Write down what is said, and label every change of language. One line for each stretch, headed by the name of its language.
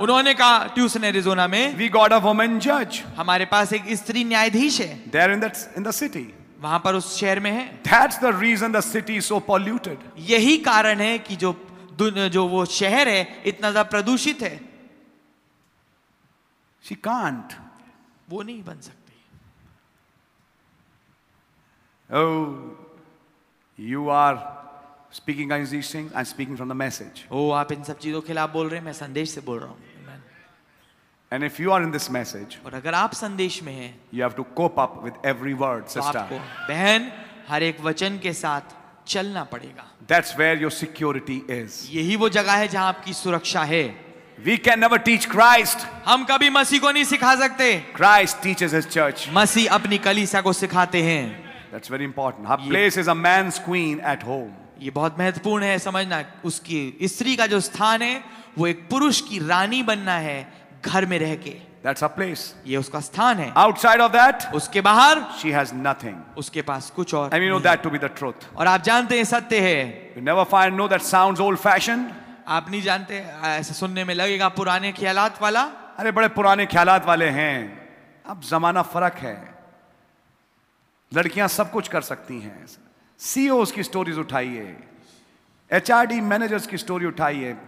Hindi: उन्होंने कहा tuition Arizona में.
English: We got a woman judge.
Hindi: हमारे पास एक स्त्री न्यायाधीश है.
English: There in the city.
Hindi: वहाँ पर उस शहर में है.
English: That's the reason the city is so polluted.
Hindi: यही कारण है कि जो वो शहर है इतना ज़्यादा प्रदूषित है.
English: She can't.
Hindi: वो नहीं बन सकती. Oh.
English: You are speaking against these things. I'm speaking from the message.
Hindi: Oh, आप इन सब चीजों के खिलाफ बोल रहे हैं. मैं संदेश से बोल रहा हूँ.
English: Amen. And if you are in this message,
Hindi: और अगर आप संदेश में हैं,
English: you have to cope up with every word, sister.
Hindi: तो आपको बहन हर एक वचन के साथ चलना पड़ेगा.
English: That's where your security is.
Hindi: यही वो जगह है जहाँ आपकी सुरक्षा है.
English: We can never teach Christ.
Hindi: हम कभी मसीह को नहीं सिखा सकते.
English: Christ teaches His church.
Hindi: मसीह अपनी कलीसिया को सिखाते हैं.
English: That's very important. Her place is a man's queen at home.
Hindi: ये बहुत महत्वपूर्ण है समझना. उसकी स्त्री का जो स्थान है वो एक पुरुष की रानी बनना है घर में रह के.
English: The That's her place.
Hindi: ये उसका स्थान है.
English: Outside of that,
Hindi: उसके बाहर,
English: she has nothing.
Hindi: उसके पास कुछ और.
English: And you know that to be the truth.
Hindi: और आप जानते हैं सत्य है.
English: You never find know that sounds old-fashioned.
Hindi: आप नहीं जानते ऐसा सुनने में लगेगा पुराने ख्यालात वाला. अरे बड़े पुराने ख्यालात वाले हैं. अब जमाना फर्क है. लड़कियां सब कुछ कर सकती हैं. CEOs की स्टोरीज उठाइए, HRD मैनेजर्स की स्टोरी उठाइए.